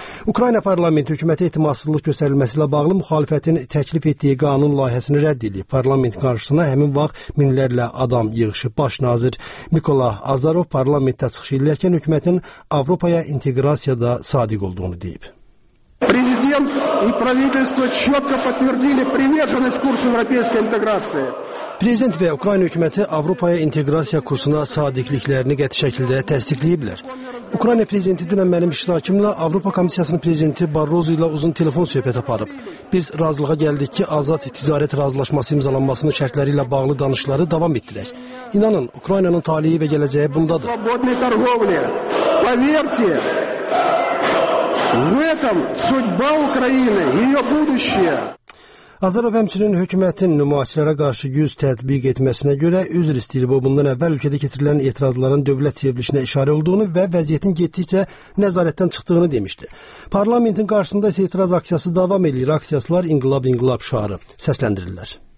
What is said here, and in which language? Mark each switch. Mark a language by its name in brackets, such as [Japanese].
[Azerbaijani] Ukrayna parlamenti hökumətə etimadsızlıq göstərilməsi ilə bağlı müxalifətin təklif etdiyi qanun layihəsini rədd edib. Parlament qarşısına həmin vaxt minlərlə adam yığışıb. Baş nazir Mikola Azarov parlamentdə çıxış edərkən hökumətin Avropaya inteqrasiyada sadiq olduğunu deyib. [Russian] Президент и правительство четко подтвердили приверженность курсу европейской интеграции. [Azerbaijani] Prezident və Ukrayna hökuməti Avropaya inteqrasiya kursuna sadiqliklərini qəti şəkildə təsdiqləyiblər. Ukrayna prezidenti dünən mənim iştirakimlə Avropa Komissiyasının prezidenti Barroso ilə uzun telefon söhbəti aparıb. Biz razılığa gəldik ki, azad ticarət razılaşması imzalanmasının şərtləri ilə bağlı danışıqları davam etdirək. İnanın, Ukraynanın taleyi və gələcəyi bundadır. [Russian] Свободной торговли. Поверьте. В этом судьба Украины, её будущее. [Azerbaijani] Azərov həmçinin hökumətin nümayişlərə qarşı güc tətbiq etməsinə görə üzr istəyib. O, bundan əvvəl ölkədə keçirilən etirazların dövlət çevrilişinə işarə olduğunu və vəziyyətin getdikcə nəzarətdən çıxdığını demişdi. Parlamentin qarşısında isə etiraz aksiyası davam edir. Aksiyaslar İnqilab İnqilab şüarı səsləndirirlər.